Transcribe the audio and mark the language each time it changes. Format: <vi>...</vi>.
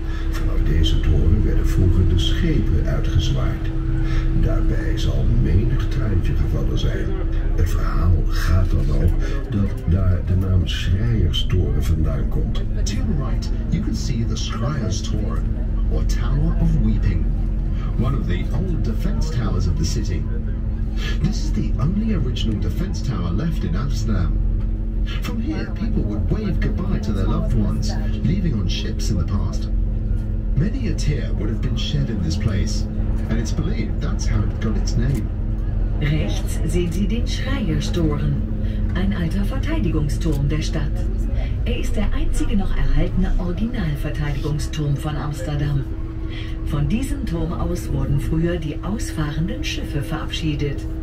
<nl>Vanaf deze toren werden vroeger de schepen uitgezwaard. Daarbij zal menig treintje gevallen zijn. Het verhaal gaat dan ook dat daar de naam Schrijerstoren vandaan komt.</nl> <en>To your right, you can see the Schrijerstoren, or Tower of Weeping. One of the old defense towers of the city. This is the only original defense tower left in Amsterdam. From here, people would wave goodbye to their loved ones, leaving on ships in the past. Many a tear would have been shed in this place, and it's believed that's how it got its name.</en> <de>Rechts sehen Sie den Schreierstoren, ein alter Verteidigungsturm der Stadt. Ist der einzige noch erhaltene Originalverteidigungsturm von Amsterdam. Von diesem Turm aus wurden früher die ausfahrenden Schiffe verabschiedet.</de>